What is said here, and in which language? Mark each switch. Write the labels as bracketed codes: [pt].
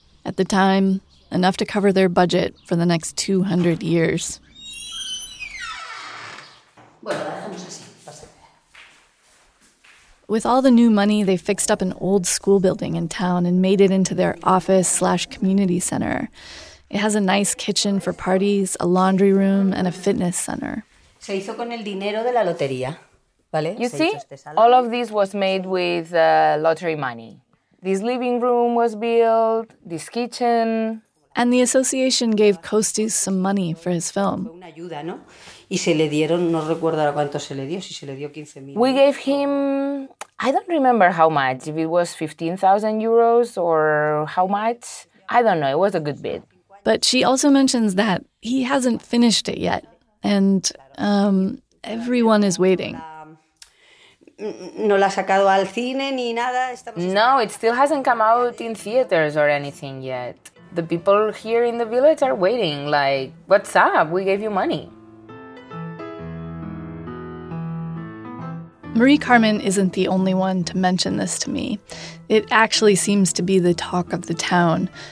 [en] At the time, enough to cover their budget for the next 200 years. With all the new money, they fixed up an old school building in town and made it into their office/community center. It has a nice kitchen for parties, a laundry room, and a fitness center. [es] Se hizo con el dinero de la lotería, ¿vale? [en] You see, all of this was made with lottery money. This living room was built, this kitchen. And the association gave Costis some money for his film. We gave him, I don't remember how much, if it was 15,000 euros or how much. I don't know, it was a good bit. But she also mentions that he hasn't finished it yet, and everyone is waiting. [es] No, la ha sacado al cine ni nada. [en] No, it still hasn't come out in theaters or anything yet. The people here in the village are waiting, like, what's up? We gave you money. Marie Carmen isn't the only one to mention this to me. It actually seems to be the talk of the town.